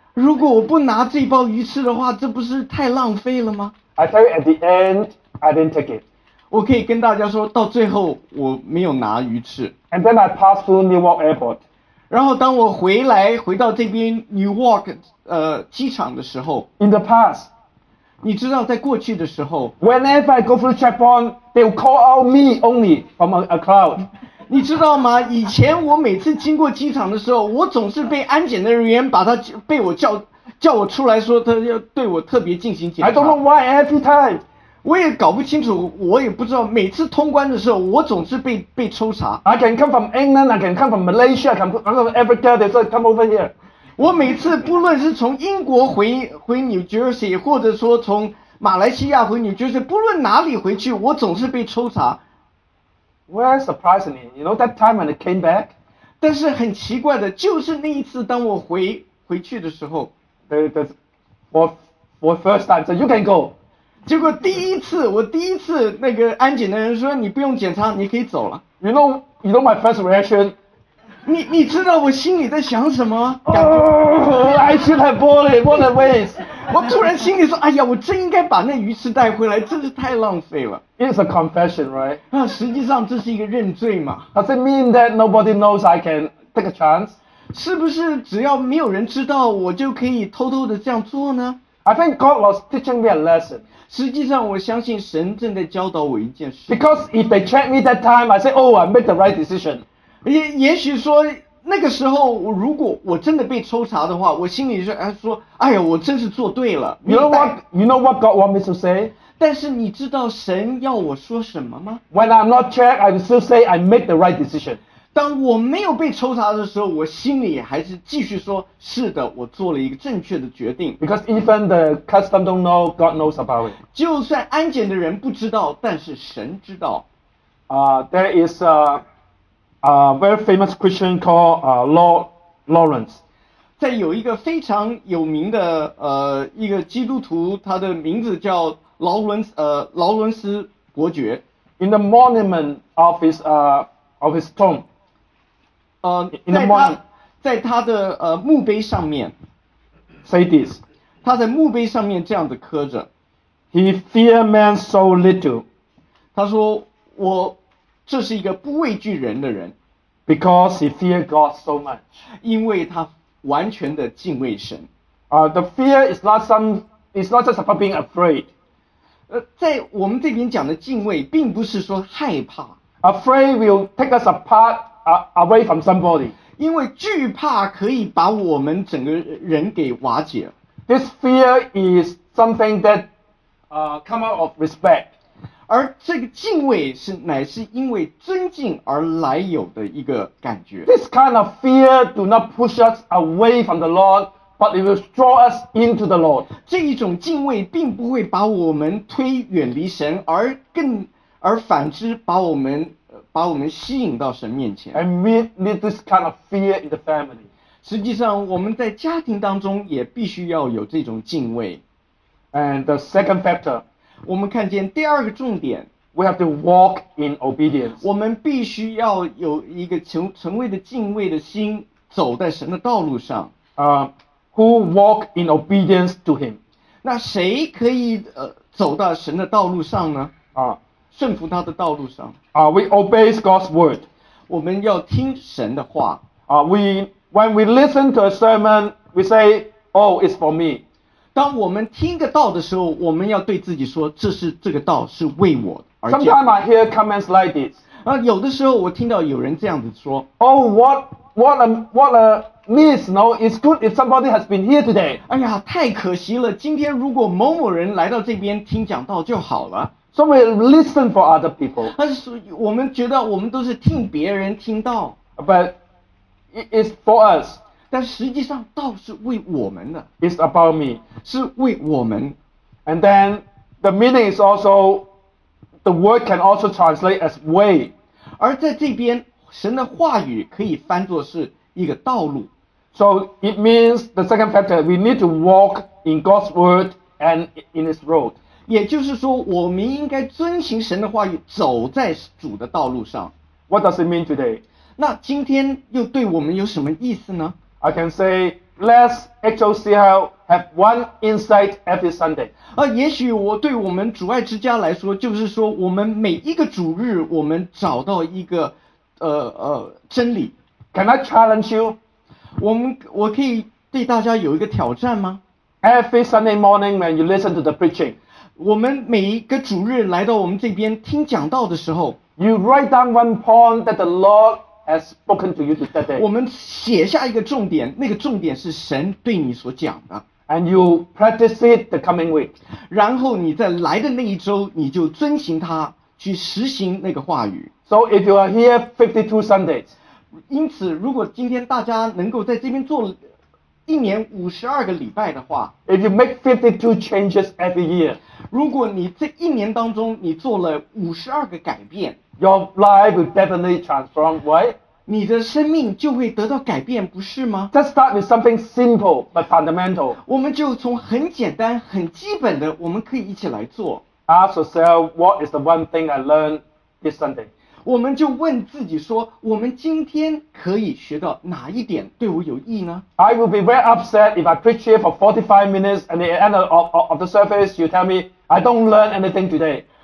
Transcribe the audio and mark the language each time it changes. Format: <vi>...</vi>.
<zh>如果我不拿这包鱼翅的话，这不是太浪费了吗？</zh> <en>I tell you at the end, I didn't take it.</en> <zh>我可以跟大家说，到最后我没有拿鱼翅。</zh> <en>And then I passed through Newark Airport.</en> <zh>然后当我回到这边 Newark 机场的时候，</zh> <en>In the past,</en> <zh>你知道在过去的时候，</zh> <en>whenever I go through the checkpoint, they will call out me only from a crowd.</en> <zh>你知道吗？以前我每次经过机场的时候，我总是被安检的人员把他被我叫我出来说，他要对我特别进行检</zh> <en>I don't</en> <zh>查。</zh> <en>know why every time.</en> <zh>我也搞不清楚，我也不知道，每次通关的时候，我总是被抽查。</zh> <en>I can come from England, I can come from Malaysia, I can come from Africa, they say come over here.</en> <zh>我每次不论是从英国回 New Jersey，或者说从马来西亚回 New Jersey，不论哪里回去，我总是被抽查。</zh> <en>Well, surprisingly, you know that time when it came back,</en> <zh>但是很奇怪的，就是那一次，当我回去的时候，</zh> <en>for first time, so you can go.</en> <zh>结果第一次，那个安检的人说你不用检查，你可以走了。</zh> <en>You know my first reaction.</en> <zh>你知道我心里在想什么感觉？</zh> <en>Oh, I should have bought it. What a waste.</en> <zh>我突然心里说："哎呀，我真应该把那鱼翅带回来，真是太浪费了。"</zh> <en>It's a confession, right?</en> <zh>那实际上这是一个认罪嘛。</zh> <en>Does it mean that nobody knows I can take a chance?</en> <zh>是不是只要没有人知道，我就可以偷偷的这样做呢？</zh> <en>I think God was teaching me a lesson.</en> <zh>实际上，我相信神正在教导我一件事。</zh> <en>Because if they check me that time, I say, "Oh, I made the right decision."</en> <zh>也许说那个时候，如果我真的被抽查的话，我心里就说："哎呀，我真是做对了。</zh> <en>You know what? You know what God wants me to say?</en> <zh>没带。" 但是你知道神要我说什么吗？</zh> <en>When I'm not checked, I still say I made the right decision.</en> <zh>当我没有被抽查的时候，我心里还是继续说："是的，我做了一个正确的决定。"</zh> <en>Because even the customs don't know, God knows about it.</en> <zh>就算安检的人不知道，但是神知道。</zh> <en>There is a very famous Christian called Lawrence.</en> <zh>在有一个非常有名的一个基督徒，他的名字叫劳伦斯伯爵。</zh> <en>In the monument of his tomb.</en> <zh>在他 在他的墓碑上面。</zh> <en>Say this.</en> <zh>他在墓碑上面这样子刻着。</zh> <en>He fear man so little.</en> <zh>他说我这是一个不畏惧人的人。</zh> <en>Because he fear God so much.</en> <zh>因为他完全的敬畏神。</zh> <en>The fear is not it's not just about being afraid.</en> <zh>在我们这边讲的敬畏，并不是说害怕。</zh> <en>Afraid will take us apart, away from somebody.</en> <zh>因为惧怕可以把我们整个人给瓦解。</zh> <en>This fear is something that, come out of respect.</en> <zh>而这个敬畏是乃是因为尊敬而来有的一个感觉。</zh> <en>This kind of fear do not push us away from the Lord, but it will draw us into the Lord.</en> <zh>这一种敬畏并不会把我们推远离神，而反之把我们吸引到神面前。</zh> <en>And we need this kind of fear in the family.</en> <zh>实际上我们在家庭当中也必须要有这种敬畏。</zh> <en>And the second factor.</en> <zh>我们看见第二个重点</zh> <en>，We have to walk in obedience。</en> <zh>我们必须要有一个成为的敬畏的心，走在神的道路上。</zh> <en>who walk in obedience to him?</en> <zh>那谁可以走到神的道路上呢？啊，顺服他的道路上。</zh> <en>We obey God's word.</en> <zh>我们要听神的话。</zh> <en>When we listen to a sermon, we say, "Oh, it's for me."</en> <zh>当我们听个道的时候，我们要对自己说，这是这个道是为我而讲。</zh> <en>Sometimes I hear comments like this.</en> <zh>有的时候我听到有人这样子说</zh> <en>，Oh, what a miss! No, it's good if somebody has been here today.</en> <zh>哎呀，太可惜了，今天如果某某人来到这边听讲道就好了。</zh> <en>So we listen for other people.</en> <zh>但是我们觉得我们都是听别人听到。</zh> <en>But it's for us.</en> <zh>但实际上道是为我们的。</zh> <en>It's about me.</en> <zh>是为我们。</zh> <en>And then the meaning is also. The word can also translate as way.</en> <zh>而在这边，神的话语可以翻作是一个道路。</zh> <en>So it means the second factor, we need to walk in God's word and in His road.</en> <zh>也就是说，我们应该遵行神的话语，走在主的道路上。</zh> <en>What does it mean today?</en> <zh>那今天又对我们有什么意思呢？</zh> <en>I can say, let's HOCL. Have one insight every Sunday.</en> <zh>也许我对我们主爱之家来说，就是说我们每一个主日，我们找到一个，真理。</zh> <en>Can I challenge you?</en> <zh>我可以对大家有一个挑战吗</zh> <en>？Every Sunday morning when you listen to the preaching,</en> <zh>我们每一个主日来到我们这边听讲道的时候</zh> <en>，You write down one point that the Lord. Has spoken to you that day.</en> <zh>我们写下一个重点，那个重点是神对你所讲的。</zh> <en>And you practice it the coming week.</en> <zh>然后你在来的那一周，你就遵行它，去实行那个话语。</zh> <en>So if you are here 52 Sundays,</en> <zh>因此如果今天大家能够在这边做一年52个礼拜的话</zh> <en>，If you make 52 changes every year,</en> <zh>如果你这一年当中你做了52个改变。</zh> <en>Your life will definitely transform, right?</en> <zh>你的生命就会得到改变，不是吗</zh> <en>？Let's start with something simple but fundamental.</en> <zh>我们就从很简单、很基本的，我们可以一起来做。</zh> <en>Ask yourself, what is the one thing I learned this Sunday?</en> <zh>我们就问自己说，我们今天可以学到哪一点对我有益呢</zh> <en>？I will be very upset if I preach here for 45 minutes and at the end of the service you tell me I don't learn anything today.</en>